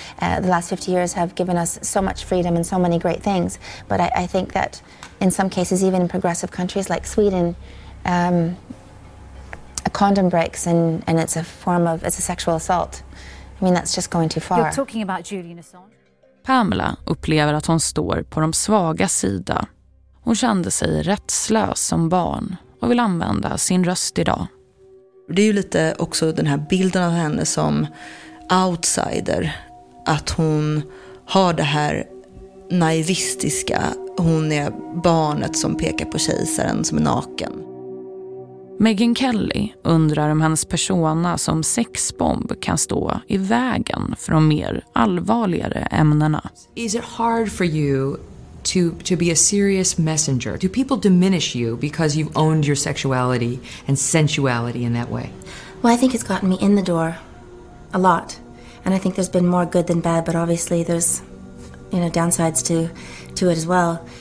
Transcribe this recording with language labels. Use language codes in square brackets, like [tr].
[en] The last 50 years have given us so much freedom and so many great things. But I think that in some cases, even in progressive countries like Sweden, a condom breaks and it's a form of it's a sexual assault. I mean, that's just going too far. You're talking about Julian Assange. [sv] Pamela upplever att hon står på de svaga sida. Hon kände sig rättslös som barn och vill använda sin röst idag. Det är ju lite också den här bilden av henne som outsider. Att hon har det här naivistiska. Hon är barnet som pekar på kejsaren som är naken. Megyn Kelly undrar om hennes persona som sexbomb kan stå i vägen för de mer allvarligare ämnena. [en] Is it hard for you to be a serious messenger? Do people diminish you because you've owned your sexuality and sensuality in that way? Well, I think it's gotten me in the door a lot. And I think there's been more good than bad, but obviously there's, you know, downsides to it as well.